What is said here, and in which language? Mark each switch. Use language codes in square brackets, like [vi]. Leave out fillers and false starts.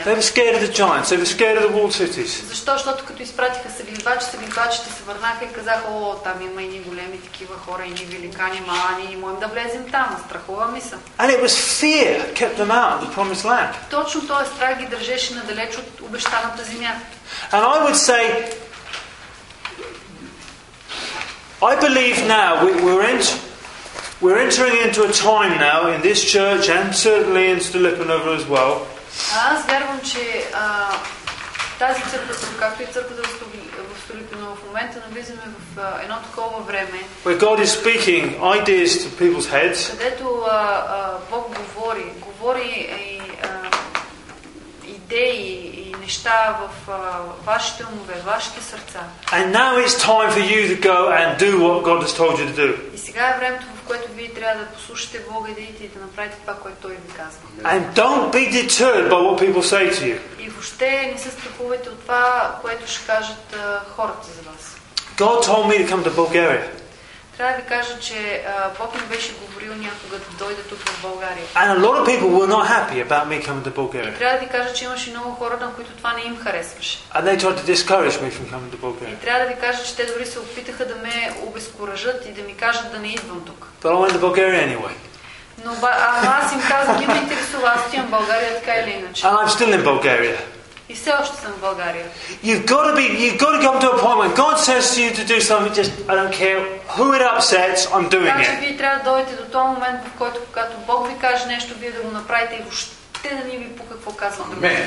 [en] They were scared of the giants. They were scared of the walled cities. [bg] Защо? Защото като изпратиха сагнивачите се върнаха и казаха, о, там има едни големи такива хора, едни великани, малани, не можем да влезем там. Страхуваме се. [en] And it was fear that kept them out of the promised land. [bg] Точно този страх ги държеше надалеч от обещаната земя. [en] And I would say, I believe now we're entering into a time now in this church and certainly in Stolypinova as well. [bg] Аз вярвам, че тази църква, както и църквата в Столипиново, в момента навлизаме в едно такова време. [en] Where God is speaking ideas to people's heads. [bg] Където Бог говори и идеи и неща в вашите умове, вашите сърца. [en] And now it's time for you to go and do what God has told you to do. [bg] И сега е времето, което вие трябва да послушате Бога и да идите и да направите това, което Той ви казва. [en] And don't be deterred by what people say to you. [bg] И въобще не се страхувайте от това, което ще кажат хората за вас. [en] God told me to come to Bulgaria. [bg] Трябва да ви кажа, че Бог ми беше говорил някога да дойда тук в България. [en] And a lot of people were not happy about me coming to Bulgaria. [bg] И трябва да ви кажа, че имаше много хора, на които това не им харесваше. [en] And they tried to discourage me from coming to Bulgaria. [bg] И трябва да ви кажа, че те дори се опитаха да ме обезкуражат и да ми кажат да не идвам тук. [en] But I went to Bulgaria anyway. [bg] Но аз им казах, не ме интересува, аз отивам в България така или иначе. [en] And I'm still in Bulgaria. [bg] И все още съм в България. [en] You've got to come to a point when God says to you to do something, just I don't care who it upsets, I'm doing it. [bg] Вие трябва да дойдете до този момент, в който когато Бог ви каже нещо, вие да го направите и въобще да не ви по какво казвам.